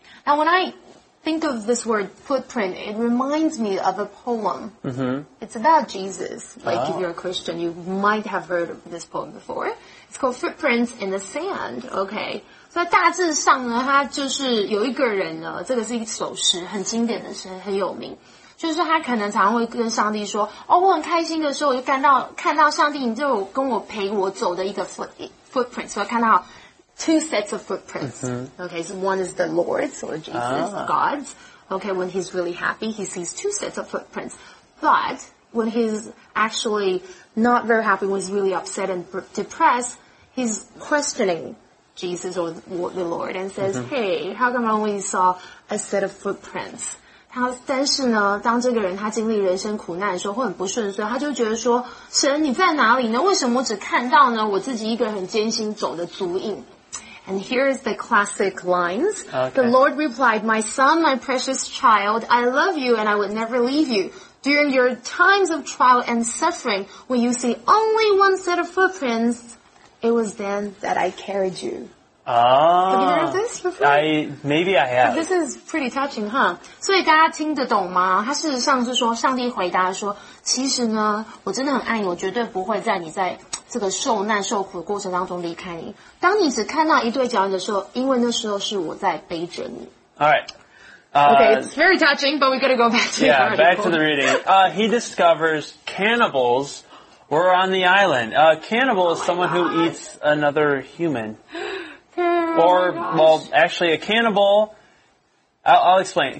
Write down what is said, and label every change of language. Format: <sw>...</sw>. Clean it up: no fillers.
<en>那 when I think of this word footprint, it reminds me of a poem. Mm-hmm. It's about Jesus. Like, if you're a Christian, you might have heard of this poem before. It's called Footprints in the Sand. Okay.</en> <zh>所以大致上呢，他就是有一个人呢，这个是一首诗，很经典的诗，很有名。就是他可能常常会跟上帝说，哦，我很开心的时候，我就看到上帝，你就跟我陪我走的一个 footprint. 所以看到</zh> <en>two sets of footprints. Mm-hmm. Okay, so one is the Lord's or Jesus, God's. Okay, when he's really happy, he sees two sets of footprints. But when he's actually not very happy, when he's really upset and depressed, he's questioning Jesus or the Lord and says, mm-hmm. hey, how come I only saw a set of footprints?</en> <zh>他但是呢，当这个人他经历人生苦难的时候，会很不顺遂，他就觉得说：“神，你在哪里呢？为什么我只看到呢我自己一个人很艰辛走的足印？”</zh> <en>And here is the classic lines.、 Okay. The Lord replied, "My son, my precious child, I love you, and I would never leave you. During your times of trial and suffering, when you see only one set of footprints, it was then that I carried you." Have you heard of this before? Maybe I have. This is pretty touching, huh?</en> <zh>所以大家听得懂吗？他事实上是说，上帝回答说，其实呢，我真的很爱你，我绝对不会在你在这个受难受苦的过程当中离开你。当你只看到一对脚印的时候，因为那时候是我在背着你。</zh> <en>All right. Okay, it's very touching, but we gotta go back to the article. Back to the reading. He discovers cannibals were on the island. Cannibal is someone who eats another human. A cannibal, I'll explain.</en>